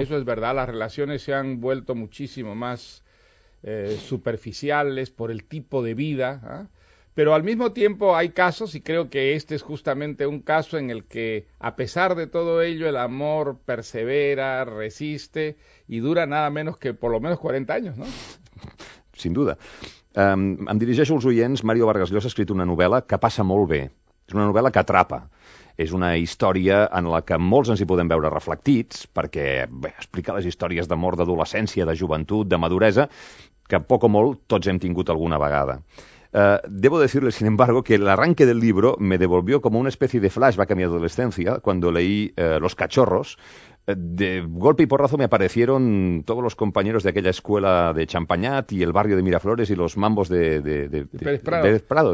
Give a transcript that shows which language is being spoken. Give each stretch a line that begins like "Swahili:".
Spanish: Eso es verdad, las relaciones se han vuelto muchísimo más superficiales por el tipo de vida, ¿eh? Pero al mismo tiempo hay casos, y creo que este es justamente un caso en el que, a pesar de todo ello, el amor persevera, resiste y dura nada menos que por lo menos 40 años, ¿no? Sin duda.
Catalan: Em dirigeixo als oients. Mario Vargas Llosa ha escrit una novel·la que passa molt bé. És una novel·la que atrapa. És una història en la que molts ens hi podem veure reflectits, perquè explica les històries d'amor, d'adolescència, de joventut, de maduresa, que poc o molt tots hem tingut alguna vegada.
Spanish: Debo decirle, sin embargo, que el arranque del libro me devolvió como una especie de flashback a mi adolescencia cuando leí Los Cachorros. De golpe y porrazo me aparecieron todos los compañeros de aquella escuela de Champañat y el barrio de Miraflores y los mambos de Pérez Prado,